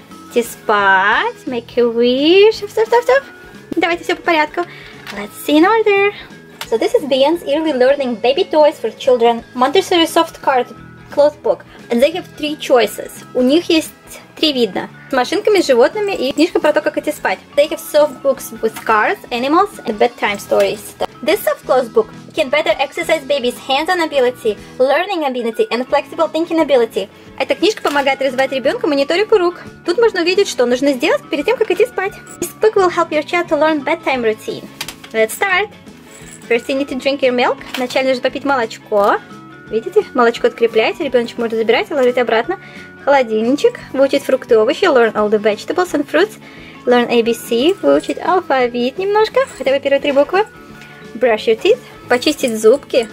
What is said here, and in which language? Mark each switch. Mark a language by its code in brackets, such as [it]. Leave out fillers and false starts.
[ru] Идти спать. [en] Make a wish. [ru] Все. Давайте все по порядку. [en] Let's see in order. So this is B&N's Early Learning Baby Toys for Children Montessori Soft Card Clothes Book. And they have three choices. [ru] У них есть три вида. С машинками, с животными и книжка про то, как идти спать. [en] They have soft books with cards, animals and bedtime stories. This soft clothes book can better exercise baby's hands-on ability, learning ability and flexible thinking ability. [ru] Эта книжка помогает развивать ребенку моторику рук. Тут можно увидеть, что нужно сделать перед тем, как идти спать. [en] This book will help your child to learn bedtime routine. Let's start. First you need to drink your milk. [ru] Вначале нужно попить молочко. Видите, молочко открепляется, ребеночек может забирать и ложить обратно. Холодильничек. Выучить фрукты и овощи. [en] Learn all the vegetables and fruits. Learn ABC. [ru] Выучить алфавит немножко, хотя бы первые три буквы. [en] Brush your teeth. [ru] Почистить зубки.